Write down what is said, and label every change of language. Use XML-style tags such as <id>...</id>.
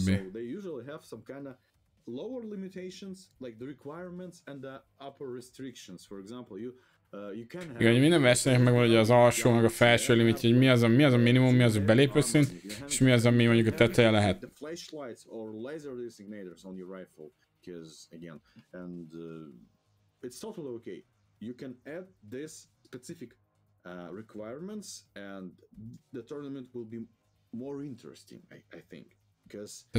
<en>So they usually have some kind of lower limitations, like the requirements and the upper restrictions. For example, you can have...</en> <hu>Igen, hogy minden versenyek megvan, hogy az alsó, meg a felső limit, hogy mi az a minimum, mi az a belépőszint, és mi az, ami mondjuk a teteje lehet.</hu> <en>Flashlights or laser designators on your rifle, because, again, and it's totally okay. You can add this specific requirements and the tournament will be more interesting, I think, because</en>